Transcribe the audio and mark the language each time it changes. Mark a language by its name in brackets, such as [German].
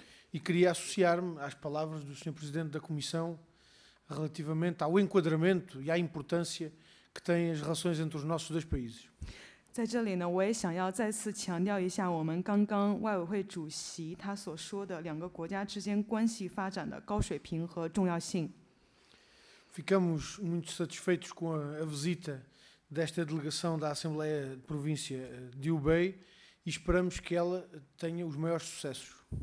[Portuguese] E queria associar-me às palavras do Sr. Presidente da Comissão relativamente ao enquadramento e à importância que têm as relações entre os nossos dois países. [Chinese] 在这里呢，我也想要再次强调一下我们刚刚外委会主席他所说的两个国家之间关系发展的高水平和重要性。 [Portuguese] Ficamos muito satisfeitos com a visita desta delegação da Assembleia de Província de Hubei e esperamos que ela tenha os maiores sucessos.